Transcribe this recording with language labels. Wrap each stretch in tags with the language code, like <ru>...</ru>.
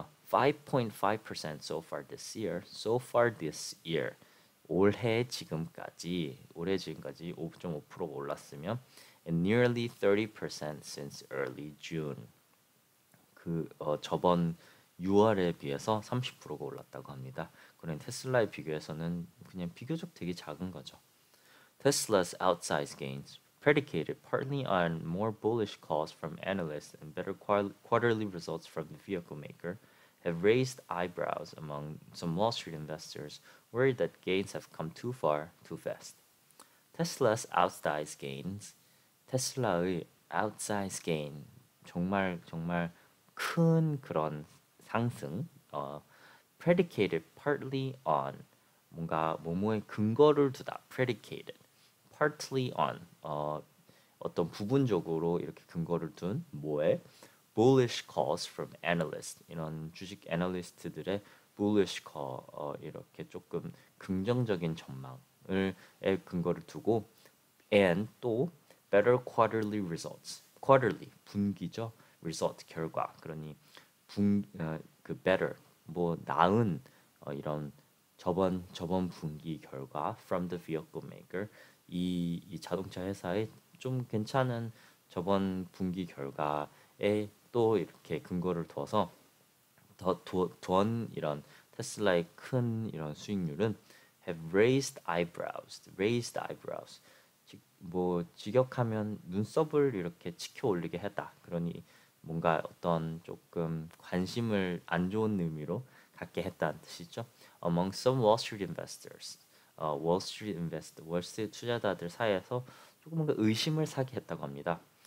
<en>5.5% so far this year so far this year</en> <ko>올해 지금까지 5.5% 올랐으면</ko> <en>and nearly 30% since early June</en> <ko>그 저번 6월에 비해서 30%가 올랐다고 합니다. 그런 테슬라에 비교해서는 그냥 비교적 되게 작은 거죠.</ko> <en>Tesla's outsized gains, predicated partly on more bullish calls from analysts and better quarterly results from the vehicle maker, have raised eyebrows among some Wall Street investors worried that gains have come too far, too fast. Tesla's outsized gains, Tesla의 outsized gain,</en> <ko>정말 큰 그런 상승,</ko> <en>predicated partly on,</en> <ko>뭔가 뭐뭐에 근거를 두다,</ko> <en>predicated.</en> <ko>Partly on 어떤 부분적으로 이렇게 근거를 둔 뭐에</ko> <en>bullish calls from analysts</en> <ko>이런 주식 애널리스트들의 bullish call 이렇게 조금 긍정적인 전망을에 근거를 두고 and 또</ko> <en>better quarterly results</en> <ko>quarterly 분기죠 result 결과 그러니 그 better 뭐 나은 이런 저번 분기 결과</ko> <en>from the vehicle maker</en> <ko>이 자동차 회사의 좀 괜찮은 저번 분기 결과에 또 이렇게 근거를 둬서 더 이런 테슬라의 큰 이런 수익률은</ko> <en>have raised eyebrows, raised eyebrows.</en> <ko>뭐 직역하면 눈썹을 이렇게 치켜 올리게 했다. 그러니 뭔가 어떤 조금 관심을 안 좋은 의미로 갖게 했다는 뜻이죠. Among some Wall Street investors. Wall Street investor, 월스트리트 투자자들 사이에서 조금 뭔가 의심을 사게 했다고 합니다.</ko>